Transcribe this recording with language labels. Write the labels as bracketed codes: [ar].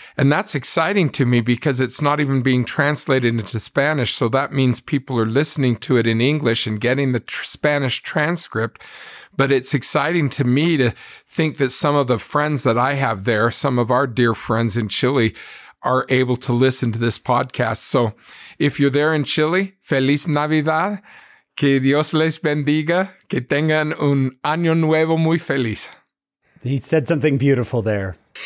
[en] And that's exciting to me because it's not even being translated into Spanish. So that means people are listening to it in English and getting the Spanish transcript. But it's exciting to me to think that some of the friends that I have there, some of our dear friends in Chile, are able to listen to this podcast. So if you're there in Chile, [es] Feliz Navidad, que Dios les bendiga, que tengan un año nuevo muy feliz. [en] He said something beautiful there.